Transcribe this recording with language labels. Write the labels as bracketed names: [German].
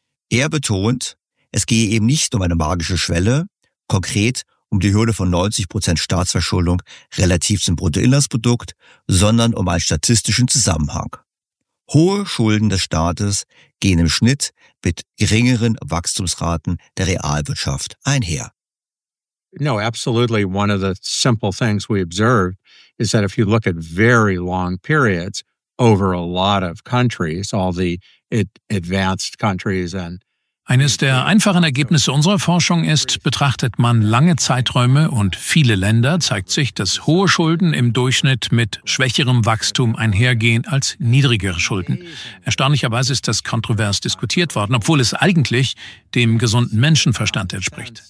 [German] Er betont, es gehe eben nicht um eine magische Schwelle, konkret um die Hürde von 90% Staatsverschuldung relativ zum Bruttoinlandsprodukt, sondern um einen statistischen Zusammenhang. Hohe Schulden des Staates gehen im Schnitt mit geringeren Wachstumsraten der Realwirtschaft einher. [English] No, absolutely. One of the simple things we observed is that if you look at very long periods over a lot of countries, all the advanced countries and [German] eines der einfachen Ergebnisse unserer Forschung ist, betrachtet man lange Zeiträume und viele Länder, zeigt sich, dass hohe Schulden im Durchschnitt mit schwächerem Wachstum einhergehen als niedrigere Schulden. Erstaunlicherweise ist das kontrovers diskutiert worden, obwohl es eigentlich dem gesunden Menschenverstand entspricht.